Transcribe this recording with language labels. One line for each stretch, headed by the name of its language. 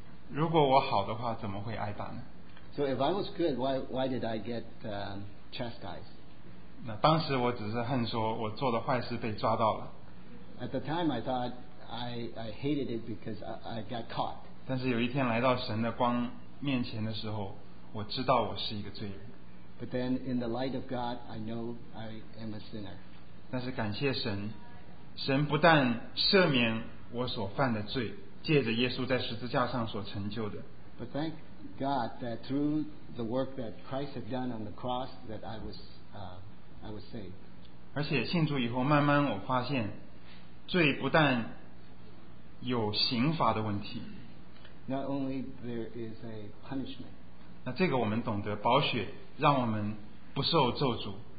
Chinese: 如果我好的话，怎么会挨打呢？
English: So if I was good, why did I get chastised?
Chinese: 那当时我只是恨说我做的坏事被抓到了。
English: At the time, I thought I hated it because I got caught.
Chinese: 但是有一天来到神的光面前的时候，我知道我是一个罪人。
English: But then in the light of God, I know I am a sinner.
Chinese: 但是感谢神，神不但赦免我所犯的罪，借着耶稣在十字架上所成就的。
English: But thank God that through the work that Christ had done on the cross that I was saved.
Chinese: 而且信主以后，慢慢我发现，罪不但有刑罚的问题。
English: Not only there is a punishment.
Chinese: 那这个我们懂得，宝血让我们不受咒诅。